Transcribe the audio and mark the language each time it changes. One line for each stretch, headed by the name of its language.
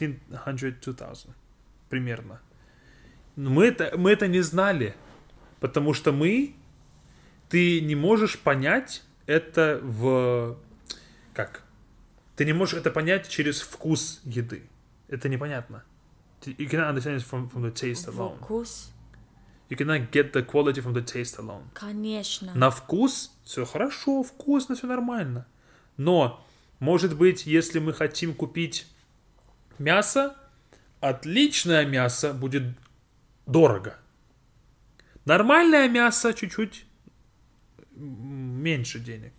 Russian: 1500-2000. Примерно. Но мы это не знали. Потому что ты не можешь понять это в... Как? Ты не можешь это понять через вкус еды. Это непонятно.
English: You cannot understand it from the taste alone.
Russian: Вкус?
English: You cannot get the quality from the taste alone.
Russian: Конечно. На вкус все хорошо, вкусно, все нормально. Но, может быть, если мы хотим купить мясо, отличное мясо будет дорого. Нормальное мясо чуть-чуть меньше денег.